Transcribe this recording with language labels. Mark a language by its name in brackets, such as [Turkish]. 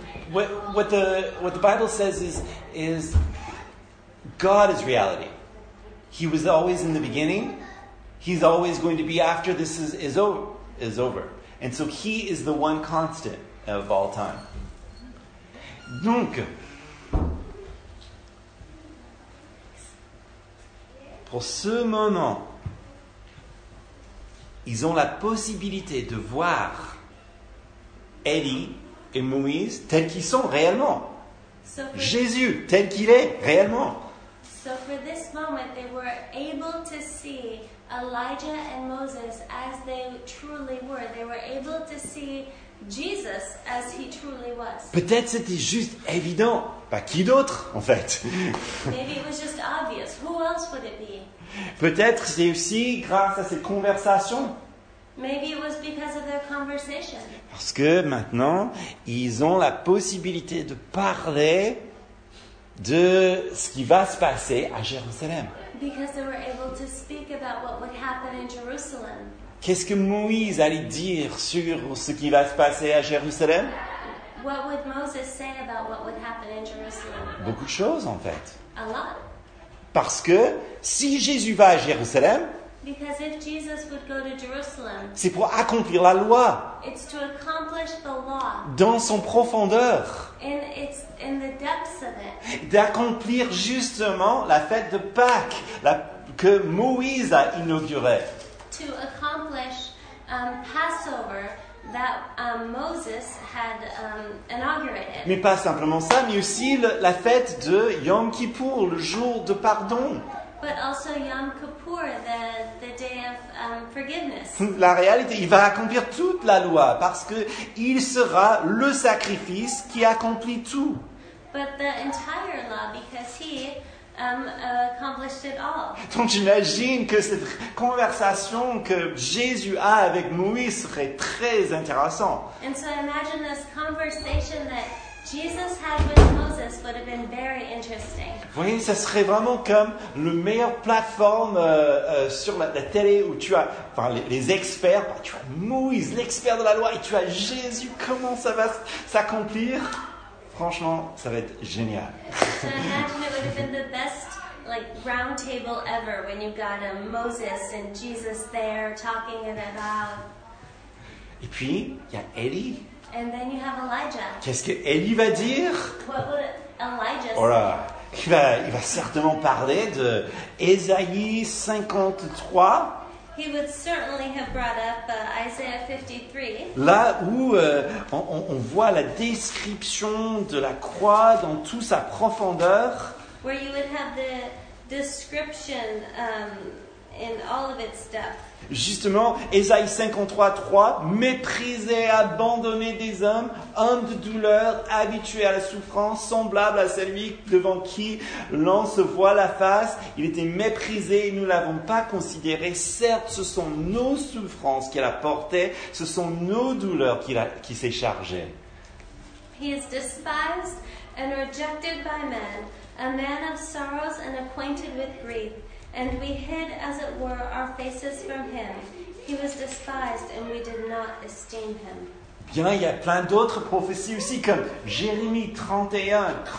[English] What the Bible says is God is reality. He was always in the beginning. He's always going to be after this is over. And so he is the one constant of all time. [French] Donc, pour ce moment, ils ont la possibilité de voir Élie et Moïse tels qu'ils sont réellement. [English] So [French] Jésus tel qu'il est réellement. [English] So for this moment, they were able to see Elijah and Moses as they truly were. They were able to see Jesus as he truly was. [French] Peut-être c'était juste évident. Bah, qui d'autre, en fait? [English] Maybe it was just obvious. Who else would it be? [French] Peut-être c'est aussi grâce à cette conversation. [English] Maybe it was because of their conversation. [French] Parce que maintenant, ils ont la possibilité de parler de ce qui va se passer à Jérusalem. [English] Because they were able to speak about what would happen in Jerusalem. [French] Qu'est-ce que Moïse allait dire sur ce qui va se passer à Jérusalem? [English] What would Moses say about what would happen in Jerusalem? [French] Beaucoup de choses, en fait. [English] A lot. [French] Parce que si Jésus va à Jérusalem, [English] because if Jesus would go to Jerusalem, [French] c'est pour accomplir la loi. [English] It's to accomplish the law. [French] Dans son profondeur. [English] In its, in the depths of it. [French] D'accomplir justement la fête de Pâques que Moïse a inaugurée. [English] To accomplish Passover that Moses had inaugurated. [French] Mais pas simplement ça, mais aussi la fête de Yom Kippour, le jour de pardon. [English] But also Yom Kippur, the day of forgiveness. [French] La réalité, il va accomplir toute la loi parce que il sera le sacrifice qui accomplit tout. [English] But the entire law, because he accomplished it all. [French] Donc j'imagine que cette conversation que Jésus a avec Moïse serait très intéressante. [English] And so I imagine this conversation that Jesus had with Moses would have been very interesting. [French] Vous voyez, ça serait vraiment comme le meilleur plateforme sur la télé où tu as, enfin, les experts, tu as Moïse, l'expert de la loi, et tu as Jésus. Comment ça va s'accomplir? Franchement, ça va être génial. [English] So imagine it would have been the best like round table ever when you got a Moses and Jesus there talking it about. [French] Et puis, il y a Ellie. [English] And then you have Elijah. [French] Qu'est-ce que Ellie va dire? [English] What would Elijah say? [French] Oh là, il va certainement parler de Ésaïe 53. [English] He would certainly have brought up Isaiah 53. [French] Là où on voit la description de la croix dans toute sa profondeur. [English] Where you would have the description in all of its depth. [French] Justement, Ésaïe 53, 3, méprisé, abandonné des hommes, homme de douleur, habitué à la souffrance, semblable à celui devant qui l'on se voit la face. Il était méprisé et nous ne l'avons pas considéré. Certes, ce sont nos souffrances qu'il a portées, ce sont nos douleurs qu'il s'est chargé. [English] He is despised and rejected by men, a man of sorrows and acquainted with grief. And we hid, as it were, our faces from him. He was despised, and we did not esteem him. [French] Bien, il y a plein d'autres prophéties aussi, comme Jérémie 31.